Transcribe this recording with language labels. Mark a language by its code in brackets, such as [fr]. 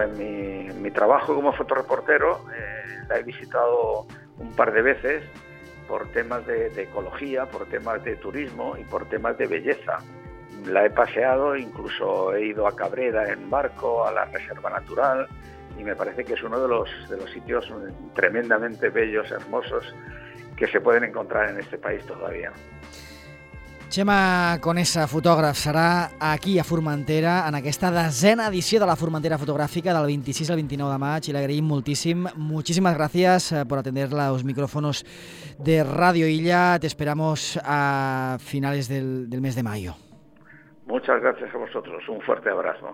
[es] En mi trabajo como fotoreportero la he visitado un par de veces, por temas de ecología, por temas de turismo y por temas de belleza. La he paseado, incluso he ido a Cabrera en barco, a la Reserva Natural, y me parece que es uno de los sitios tremendamente bellos, hermosos, que se pueden encontrar en este país todavía. [ca] Chema Conesa, fotògraf, serà aquí a Formentera en aquesta desena edició de la Formentera Fotogràfica del 26 al 29 de maig, i l'agraïm moltíssim. [es] Muchísimas gracias por atender los micrófonos de Radio Illa. Te esperamos a finales del mes de mayo. Muchas gracias a vosotros. Un fuerte abrazo.